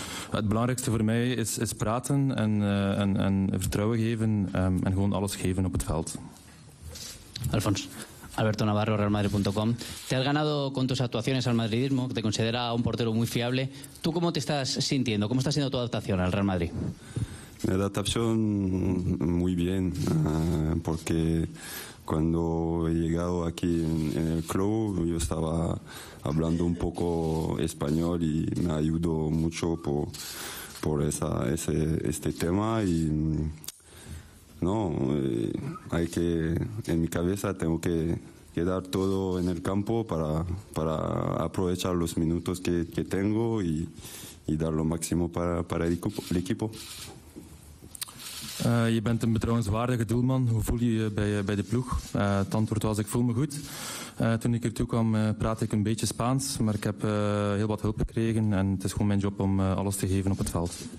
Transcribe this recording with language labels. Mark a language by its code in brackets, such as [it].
[nl] Het belangrijkste voor mij is praten en vertrouwen geven en gewoon alles geven op het veld. [es] Alfons, Alberto Navarro, RealMadrid.com. Te has ganado con tus actuaciones al madridismo, que te considera un portero muy fiable. ¿Tú cómo te estás sintiendo? ¿Cómo está siendo tu adaptación al Real Madrid? La adaptación muy bien, porque cuando he llegado aquí en el club yo estaba hablando un poco español y me ayudó mucho por este tema y no, hay que, en mi cabeza tengo que dar todo en el campo para aprovechar los minutos que tengo y dar lo máximo para el equipo. [nl] Je bent een betrouwenswaardige doelman. Hoe voel je je bij de ploeg? Het antwoord was, ik voel me goed. Toen ik ertoe kwam, praatte ik een beetje Spaans. Maar ik heb heel wat hulp gekregen. En het is gewoon mijn job om alles te geven op het veld.